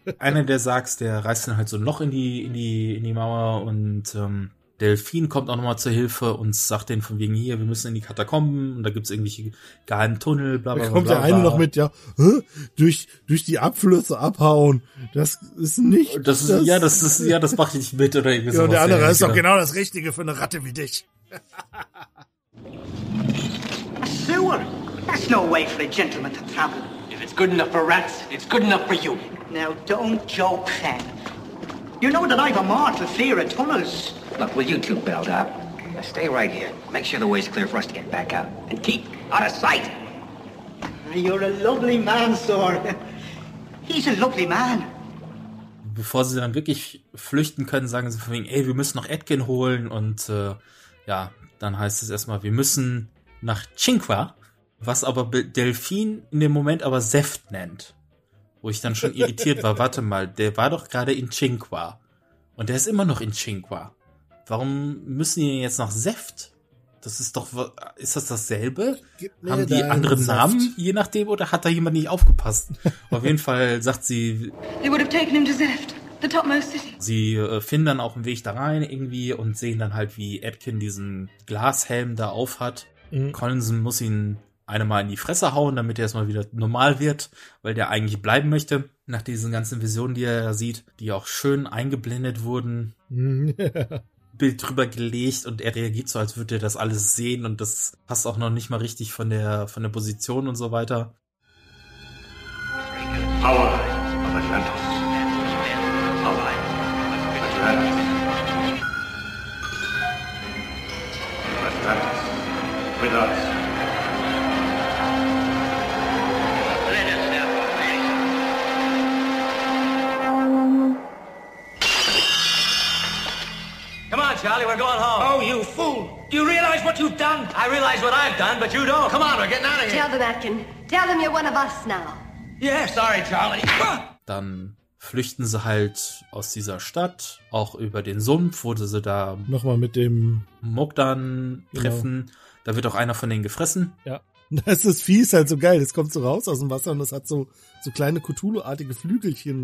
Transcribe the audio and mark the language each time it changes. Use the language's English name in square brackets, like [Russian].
[German] Einer der Sargs, der reißt dann halt so ein Loch in die Mauer und Delphine kommt auch nochmal zur Hilfe und sagt denen von wegen hier, wir müssen in die Katakomben und da gibt's irgendwelche geheimen Tunnel, bla bla bla. Da kommt der eine noch mit, ja, durch die Abflüsse abhauen. Das ist nicht. Das mach ich nicht mit oder irgendwie so. Ja, und der andere ist doch genau das Richtige für eine Ratte wie dich. [English] A sewer? That's no way for a gentleman to travel. If it's good enough for rats, it's good enough for you. Now don't joke, then. You know that I've a mortal fear of tunnels. Look, will you two build up? Now stay right here. Make sure the way's clear for us to get back out. And keep out of sight. You're a lovely man, sir. He's a lovely man. [German] Bevor sie dann wirklich flüchten können, sagen sie von wegen, ey, wir müssen noch Edgen holen. Und ja, dann heißt es erstmal, wir müssen nach Cinqua. Was aber Delphine in dem Moment aber Seft nennt. Wo ich dann schon irritiert war, warte mal, der war doch gerade in Cinqua. Und der ist immer noch in Cinqua. Warum müssen die denn jetzt nach Seft? Das ist doch, ist das dasselbe? Haben die anderen Namen, je nachdem, oder hat da jemand nicht aufgepasst? Auf jeden Fall sagt sie, [English] they would have taken him to Seft, the topmost city. [German] Sie finden dann auch einen Weg da rein irgendwie und sehen dann halt, wie Edkin diesen Glashelm da auf hat. Mhm. Collinson muss ihn einmal in die Fresse hauen, damit er erstmal wieder normal wird, weil der eigentlich bleiben möchte. Nach diesen ganzen Visionen, die er da sieht, die auch schön eingeblendet wurden. Bild drüber gelegt und er reagiert so, als würde er das alles sehen und das passt auch noch nicht mal richtig von der Position und so weiter. [English] Power of Atlantis. Power of Atlantis. Atlantis. With us. Charlie, we're going home. Oh, you fool. Do you realize what you've done? I realize what I've done, but you don't. Come on, we're getting out of here. Tell them, Atkin. Tell them you're one of us now. Yeah, sorry, Charlie. [German] Dann flüchten sie halt aus dieser Stadt, auch über den Sumpf, wo sie da nochmal mit dem Mogdan treffen. Genau. Da wird auch einer von denen gefressen. Ja. Das ist fies, halt so geil. Das kommt so raus aus dem Wasser und das hat so kleine Cthulhu-artige Flügelchen.